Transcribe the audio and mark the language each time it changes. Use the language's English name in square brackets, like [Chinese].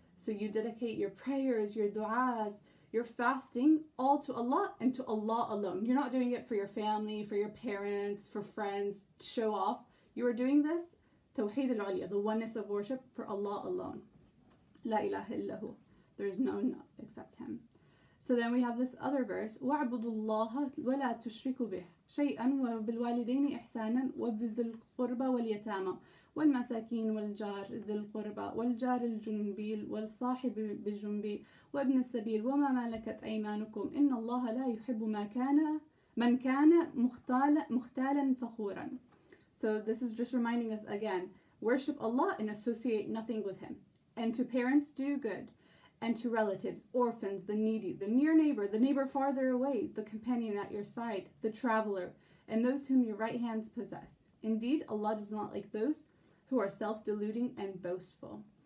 [English] So you dedicate your prayers, your du'as, your fasting, all to Allah and to Allah alone. You're not doing it for your family, for your parents, for friends, show off. You are doing this, Tawheed al-Aliyah, the oneness of worship for Allah alone. [Arabic] La ilaha illahu. [English] There is none except Him. So then we have this other verse, [Arabic] وَعْبُدُ اللَّهَ وَلَا تُشْرِكُ بِهِ شَيْئًا وَبِالْوَالِدَيْنِ إِحْسَانًا وَبِذِ الْقُرْبَ وَالْيَتَامَ والمساكين والجار ذي القربى والجار الجنبيل والصاحب بالجنبي وابن السبيل وما ملكت أيمانكم إن الله لا يحب من كان مختالا فخورا. [English] So this is just reminding us again, worship Allah and associate nothing with Him. And to parents, do good. And to relatives, orphans, the needy, the near neighbor, the neighbor farther away, the companion at your side, the traveler, and those whom your right hands possess. Indeed, Allah does not like those who are self-deluding and boastful.